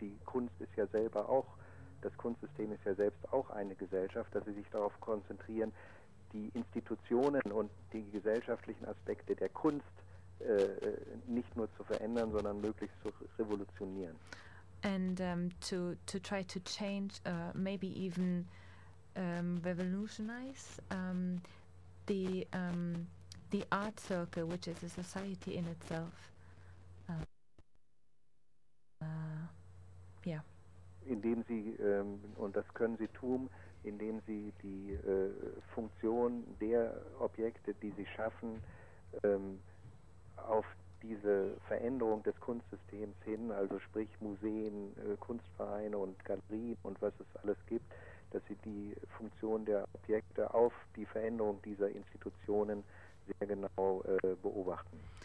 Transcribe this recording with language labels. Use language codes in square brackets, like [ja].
[de] Die Kunst ist ja selber auch, das Kunstsystem ist ja selbst auch eine Gesellschaft, dass sie sich darauf konzentrieren, die Institutionen und die gesellschaftlichen Aspekte der Kunst nicht nur zu verändern, sondern möglichst zu revolutionieren. [en] And to try to change, maybe even revolutionize the art circle, which is a society in itself. Yeah. [de] Indem sie und das können sie tun, indem sie die Funktion der Objekte, die sie schaffen, auf diese Veränderung des Kunstsystems hin, also sprich Museen, Kunstvereine und Galerien und was es alles gibt, dass sie die Funktion der Objekte auf die Veränderung dieser Institutionen sehr genau beobachten.